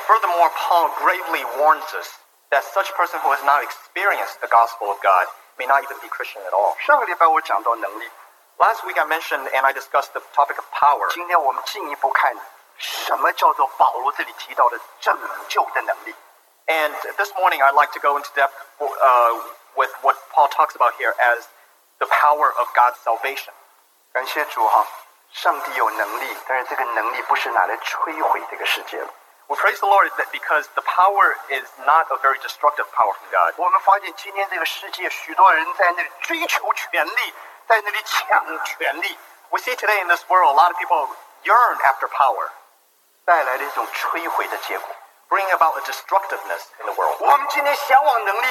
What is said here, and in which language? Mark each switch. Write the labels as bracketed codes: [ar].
[en] furthermore, Paul gravely warns us that such person who has not experienced the gospel of God may not even be Christian at all. [zh] 上个礼拜我讲到能力。 [en] Last week I mentioned and I discussed the topic of power. [zh] 今天我们进一步看什么叫做保罗这里提到的拯救的能力。 [en] And this morning I'd like to go into depth with what Paul talks about here as the power of God's salvation. [zh] 感谢主哈，上帝有能力，但是这个能力不是拿来摧毁这个世界的。 [en] We praise the Lord that because the power is not a very destructive power from God. [zh] 我们发现今天这个世界许多人在那里追求权力。 [en] We see today in this world a lot of people yearn after power, bringing about a destructiveness in the world.